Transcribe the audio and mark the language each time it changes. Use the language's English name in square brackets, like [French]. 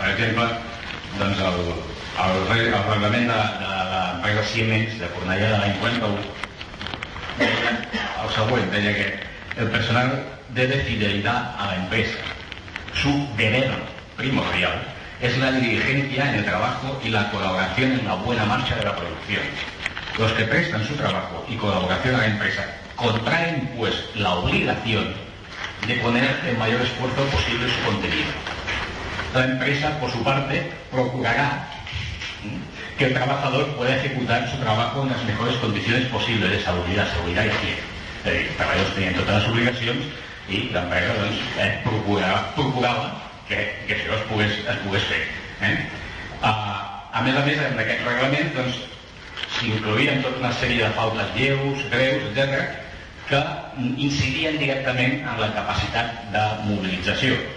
[Catalan] Per exemple, doncs el reglament de l'empresa Siemens de Cornellà de l'any 41 deia el següent, deia que [Spanish] el personal debe fidelidad a la empresa. Su deber primordial es la diligencia en el trabajo y la colaboración en la buena marcha de la producción. Los que prestan su trabajo y colaboración a la empresa contraen pues la obligación de poner el mayor esfuerzo posible su contenido. La empresa, por su parte, procurará que el trabajador pueda ejecutar su trabajo en las mejores condiciones posibles de seguridad y higiene. El trabajador tenía todas las obligaciones y la empresa doncs, [Catalan] procurava que això es pogués fer. A més, en aquest reglament s'incloïen doncs, tota una sèrie de faltes lleus, greus, etc., que incidien directament en la capacitat de mobilització.